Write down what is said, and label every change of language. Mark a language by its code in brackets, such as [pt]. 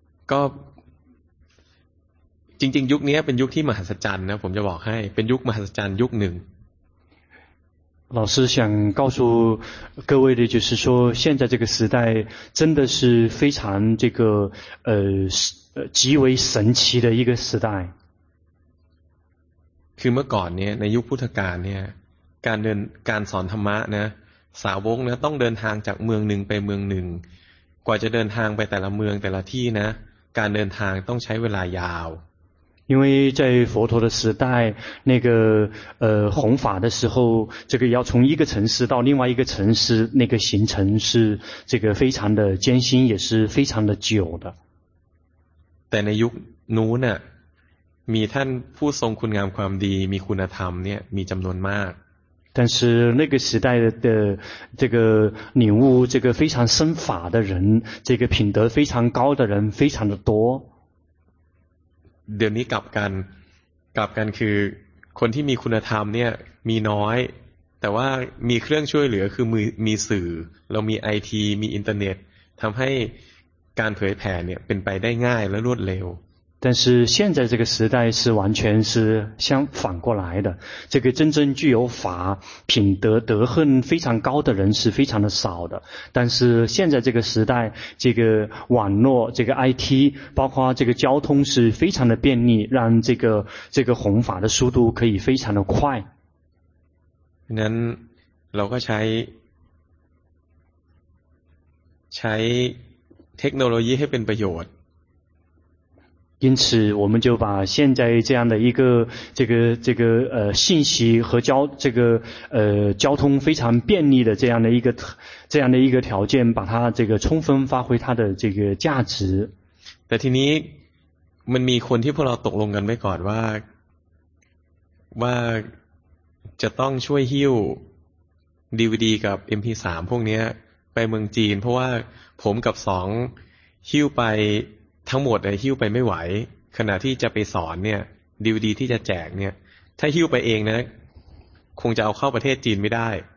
[th] ก็จริงๆยุคนี้เป็นยุคที่มหัศจรรย์นะผมจะบอกให้เป็นยุคมหัศจรรย์ยุคหนึ่ง [zh] 老师想告诉各位的就是说现在这个时代真的是非常这个极为神奇的一个时代 [th] คือเมื่อก่อนเนี่ยในยุคพุทธกาลเนี่ยการเดินการสอนธรรมะนะสาวกเนี่ยต้องเดินทางจากเมืองหนึ่งไปเมืองหนึ่งกว่าจะเดินทางไปแต่ละเมืองแต่ละที่นะการเดินทางต้องใช้เวลายาว [zh] 因为在佛陀的时代那个弘法的时候这个要从一个城市到另外一个城市那个行程是这个非常的艰辛也是非常的久的 [th] แต่ในยุคนู้นน่ะมีท่านผู้ทรงคุณงามความดีมีคุณธรรมเนี่ยมีจำนวนมาก [zh] 但是那个时代的这个领悟这个非常深法的人这个品德非常高的人非常的多 [th] เดี๋ยวนี้กลับกันคือคนที่มีคุณธรรมเนี่ยมีน้อยแต่ว่ามีเครื่องช่วยเหลือคือมีสื่อเรามีไอทีมีอินเทอร์เน็ตทำให้การเผยแผ่เนี่ยเป็นไปได้ง่ายและรวดเร็ว [zh] 但是现在这个时代是完全是相反过来的这个真正具有法品德德恨非常高的人是非常的少的但是现在这个时代这个网络这个 IT 包括这个交通是非常的便利让这个弘法的速度可以非常的快那我们 [th] ใช้เทคโนโลยีให้เป็นประโยชน์ [zh] 因此我们就把现在这样的一个这个信息和交通非常便利的这样的一个条件把它这个充分发挥它的这个价值。但 [th] ทีนี้ มันมีคนที่พวกเราตกลงกันไว้ก่อนว่าจะต้องช่วยหิ้ว DVD กับ MP3 พวกนี้ไปเมืองจีนเพราะว่าผมกับสองหิ้วไปทั้งหมดเลยหิ้วไปไม่ไหวขณะที่จะไปสอนเนี่ย DVD ที่จะแจกเนี่ยถ้าหิ้วไปเองนะคงจะเอาเข้าประเทศจีนไม่ได้